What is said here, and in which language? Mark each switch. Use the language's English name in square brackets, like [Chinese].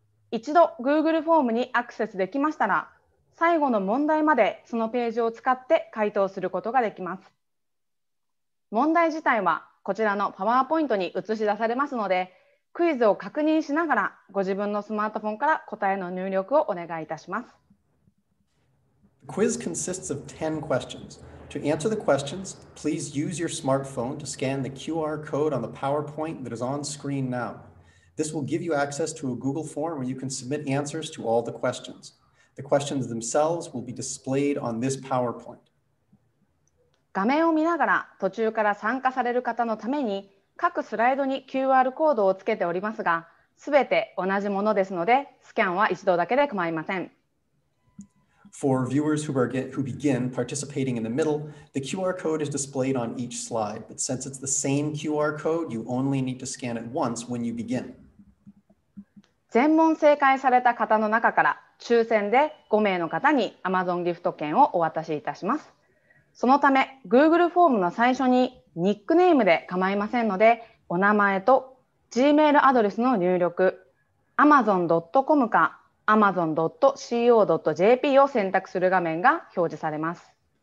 [Japanese] 一度 Google フォームにアクセスできましたら、最後の問題までそのページを使って回答することができます。問題自体はこちらのパワーポイントに映し出されますので、クイズを確認しながらご自分のスマートフォンから答えの入力をお願いいたします。 [English] The quiz consists of 10 questions. To answer the questions, please use your smartphone to scan the QR code on the PowerPoint that is on screen now. This will give you access to a Google form where you can submit answers to all the questions. The questions themselves will be displayed on this PowerPoint. [Japanese] 画面を見ながら途中から参加される方のために各スライドに QR コードをつけておりますが、すべて同じものですのでスキャンは一度だけで構いません。 [English] For viewers who begin participating in the middle, the QR code is displayed on each slide. But since it's the same QR code, you only need to scan it once when you begin. [Japanese] 全問正解された方の中から抽選で5名の方に Amazon ギフト券をお渡しいたします。そのため Google フォームの最初にニックネームで構いませんので、お名前と Gmail アドレスの入力、 Amazon.com か Amazon.co.jp を選択する画面が表示されます。